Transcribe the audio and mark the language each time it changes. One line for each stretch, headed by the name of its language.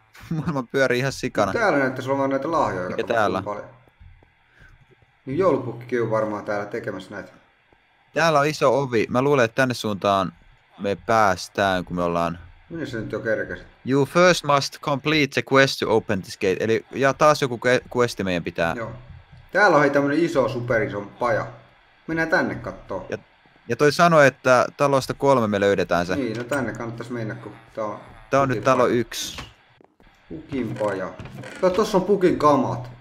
Finnish: Maailma pyörii ihan sikana. Täällä näyttäisi olevan näitä lahjoja Mikä aika täällä? paljon. Niin joulupukki on varmaan täällä tekemässä näitä. Täällä on iso ovi. Mä luulen, että tänne suuntaan me päästään, kun me ollaan... Minne se nyt jo kerkesi?
English: You first must complete the quest to open this gate.
Finnish: Eli ja taas joku questi meidän pitää... Joo. Täällä on tämmönen iso, superiso paja. Mennään tänne kattoo. Ja toi sanoi, että talosta 3 me löydetään se. Niin, no tänne kannattais mennä, kun tää on... Tää on nyt talo 1. Pukin paja. Tuossa on pukin kamat.